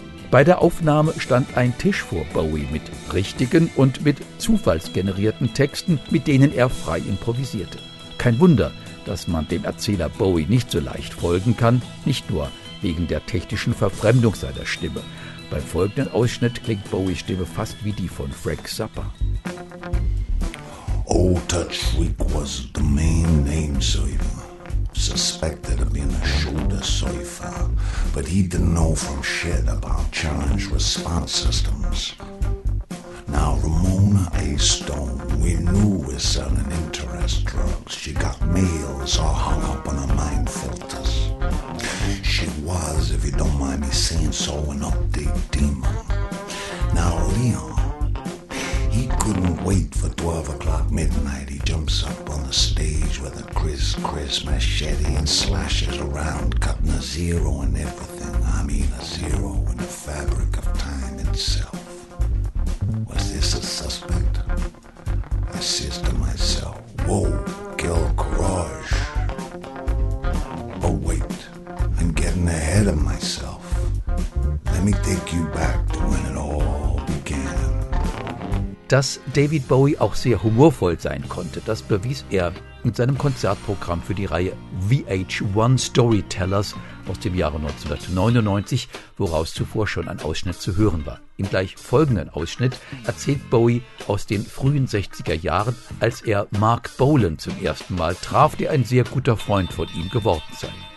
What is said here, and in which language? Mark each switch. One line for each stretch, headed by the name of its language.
German: Bei der Aufnahme stand ein Tisch vor Bowie mit richtigen und mit zufallsgenerierten Texten, mit denen er frei improvisierte. Kein Wunder, dass man dem Erzähler Bowie nicht so leicht folgen kann, nicht nur wegen der technischen Verfremdung seiner Stimme. Beim folgenden Ausschnitt klingt Bowies Stimme fast wie die von Frank Zappa.
English: Old Touch Freak was the main name, sir. Suspected of being a shoulder surfer, but he didn't know from shit about challenge response systems. Now Ramona A. Stone, we knew, was selling interest drugs. She got mails all hung up on her mind filters. She was, if you don't mind me saying so, an update demon. Now Leon, he couldn't wait for 12 o'clock midnight. He jumps up on the stage with a criss-criss machete and slashes around, cutting a zero in everything. I mean a zero in the fabric of time itself. Was this a suspect? I says to myself, whoa, Gilgrosh. But wait, I'm getting ahead of myself. Let me take you back to when it all began.
German: Dass David Bowie auch sehr humorvoll sein konnte, das bewies er mit seinem Konzertprogramm für die Reihe VH1 Storytellers aus dem Jahre 1999, woraus zuvor schon ein Ausschnitt zu hören war. Im gleich folgenden Ausschnitt erzählt Bowie aus den frühen 60er Jahren, als er Mark Bolan zum ersten Mal traf, der ein sehr guter Freund von ihm geworden sei.